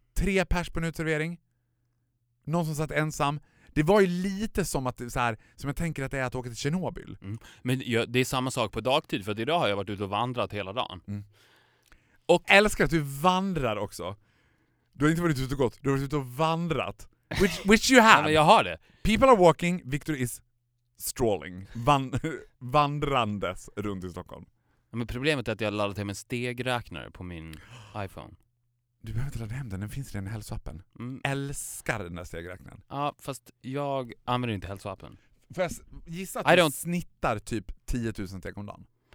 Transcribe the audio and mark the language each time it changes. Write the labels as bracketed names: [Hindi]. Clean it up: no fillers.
[Swedish] 3 pers på en utservering. Någon som satt ensam. Det var ju lite som att så här, som jag tänker att det är att åka till Tjernobyl. Mm. Men ja, det är samma sak på dagtid, för idag har jag varit ute och vandrat hela dagen. Mm. Och jag älskar att du vandrar också. Du har inte varit ute och gått, du har varit ute och vandrat. [English] Which you have. [Swedish] Ja, men jag har det. [English] People are walking, Victor is strolling. [Swedish] Vandrandes runt i Stockholm. Ja, men problemet är att jag har laddat hem en stegräknare på min iPhone. Du behöver inte ladda hem den, den finns redan i hälsoappen. Mm. Älskar den där stegräknaren. Ja, fast jag använder inte hälsoappen. För jag gissar att du snittar typ 10 000 steg om dagen.